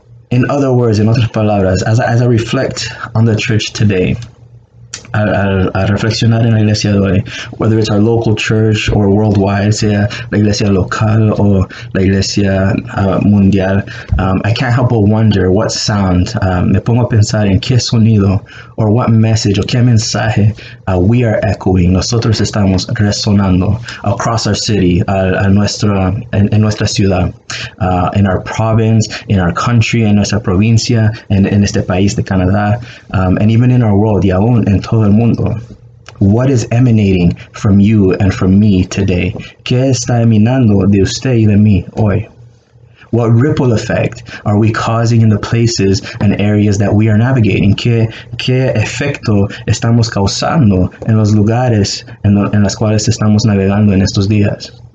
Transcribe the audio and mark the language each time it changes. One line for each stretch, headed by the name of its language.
English: In other words,
Spanish: en otras palabras,
English: as I reflect on the church today,
Spanish: al reflexionar en la iglesia de hoy,
English: whether it's our local church or worldwide,
Spanish: sea la iglesia local o la iglesia mundial,
English: I can't help but wonder what sound,
Spanish: me pongo a pensar en qué sonido
English: or what message or
Spanish: qué mensaje
English: we are echoing,
Spanish: nosotros estamos resonando
English: across our city,
Spanish: en nuestra ciudad,
English: in our province, in our country,
Spanish: en nuestra provincia, en este país de Canadá,
English: and even in our world,
Spanish: y aún en todo el mundo.
English: What is emanating from you and from me today?
Spanish: ¿Qué está emanando de usted y de mí hoy?
English: What ripple effect are we causing in the places and areas that we are navigating?
Spanish: ¿Qué efecto estamos causando en los lugares en las cuales estamos navegando en estos días?